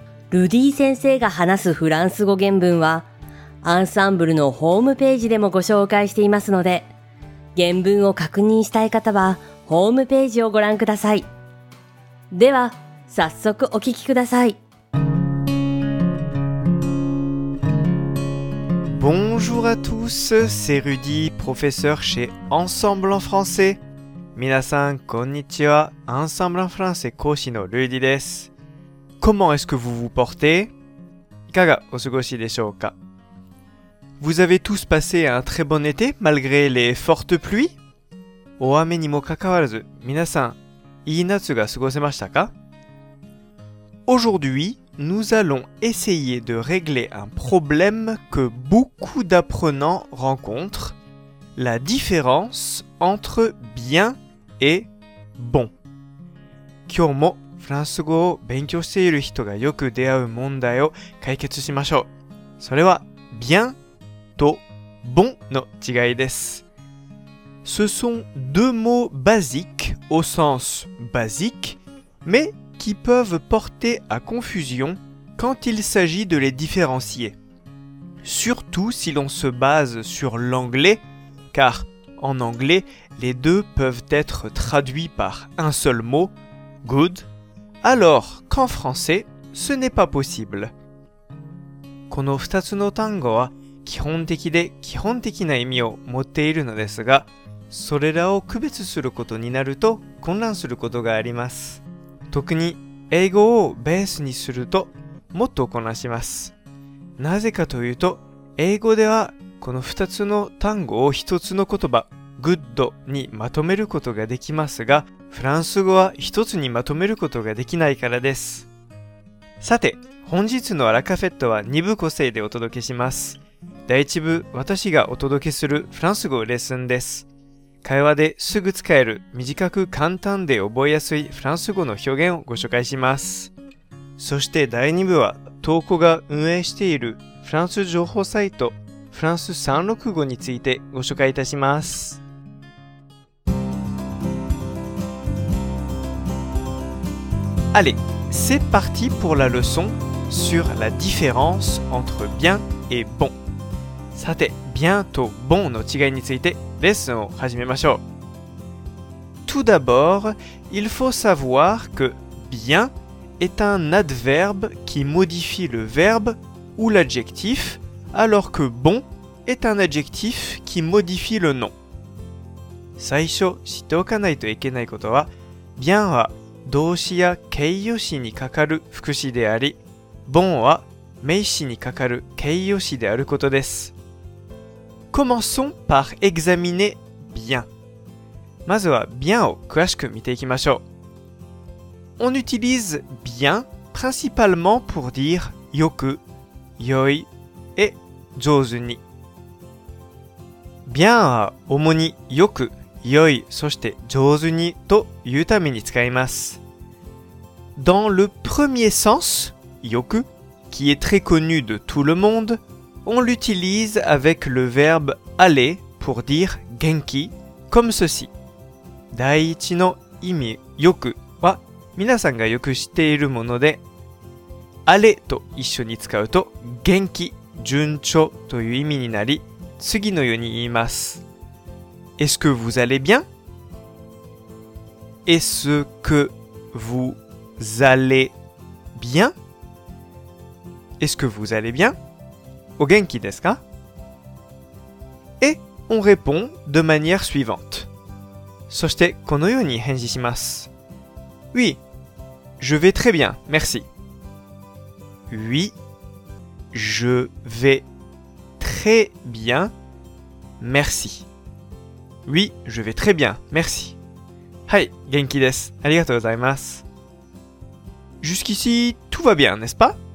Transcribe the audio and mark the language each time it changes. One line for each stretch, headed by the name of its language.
Japanese: ルディ先生が話すフランス語原文はアンサンブルのホームページでもご紹介していますので、原文を確認したい方はホームページをご覧ください。では早速お聞きください。
French: Bonjour à tous, c'est Rudy, professeur chez Ensemble en français.
Japanese: 皆さんこんにちは、Ensemble en français 講師のルディです。
French: Comment est-ce que vous vous portez?
Japanese: いかがお過ごしでしょうか?
French: Vous avez tous passé un très bon été malgré les fortes pluies?
Japanese: 大雨にもかかわらず、皆さんいい夏が過ごせましたか?
French: Aujourd'hui, nous allons essayer de régler un problème que beaucoup d'apprenants rencontrent, la différence entre bien et bon.
Japanese: 今日もフランス語を勉強している人がよく出会う問題を解決しましょう。それは bien と bon の違いです。
French: Ce sont deux mots basiques au sens basique, mais qui peuvent porter à confusion quand il s'agit de les différencier. Surtout si l'on se base sur l'anglais, car en anglais, les deux peuvent être traduits par un seul mot, good, alors qu'en français, ce n'est pas possible.
Japanese: この2つの単語は基本的で基本的な意味を持っているのですが、それらを区別することになると混乱することがあります。特に英語をベースにするともっと混乱します。なぜかというと、英語ではこの2つの単語を1つの言葉 good にまとめることができますが、フランス語は1つにまとめることができないからです。さて、本日のアラカフェットは2部構成でお届けします。第1部、私がお届けするフランス語レッスンです。会話ですぐ使える短く簡単で覚えやすいフランス語の表現をご紹介します。そして第2部は、トーコが運営しているフランス情報サイトフランス365についてご紹介いたします。
French: Allez, c'est parti pour la leçon sur la différence entre bien et bon.
Japanese: さて、bien と bon の違いについてレッスンを始めましょう。
French: Tout d'abord, il faut savoir que bien est un adverbe qui modifie le verbe ou l'adjectif, alors que bon est un adjectif qui modifie le nom.
Japanese: 最初知っておかないといけないことは、 bien は動詞や形容詞にかかる副詞であり、 bon は名詞にかかる形容詞であることです。
French: Commençons par examiner bien.
Japanese: まずは bien を詳しく見ていきましょう。
French: On utilise bien principalement pour dire よく、
Japanese: よい、え、上手に。 bien は主によく、よい、そして上手にというために使います。
French: Dans le premier sens, よく、qui est très connu de tout le monde,On l'utilise avec le verbe aller pour dire genki, comme ceci.
Japanese: 第一の意味よくは皆さんがよく知っているもので、 aller と一緒に使うと元気、順調という意味になり、次のように言います。
French: Est-ce que vous allez bien? Est-ce que vous allez bien? Est-ce que vous allez bien?
Japanese: お元気ですか?
French: Et on répond de manière suivante.
Japanese: そしてこのように返事します。
French: Oui, Je vais très bien, merci. Oui, je vais très bien, merci. Oui, je vais très bien, merci.
Japanese: Hai, genki desu. Arigatou gozaimasu.
French: Jusqu'ici, tout va bien, n'est-ce pas?